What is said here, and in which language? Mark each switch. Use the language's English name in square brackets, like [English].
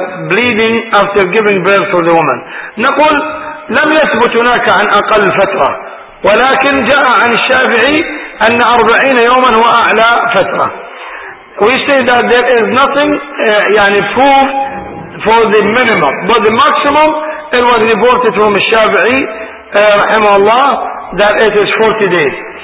[English] bleeding after giving birth for the woman. [Arabic] نقول لم يثبت هناك عن أقل فترة ولكن جاء عن الشافعي أن 40 يوما هو أعلى فترة. [English] We say that there is nothing يعني proof for the minimum, but the maximum it was reported from الشافعي رحمه الله that it is 40 days.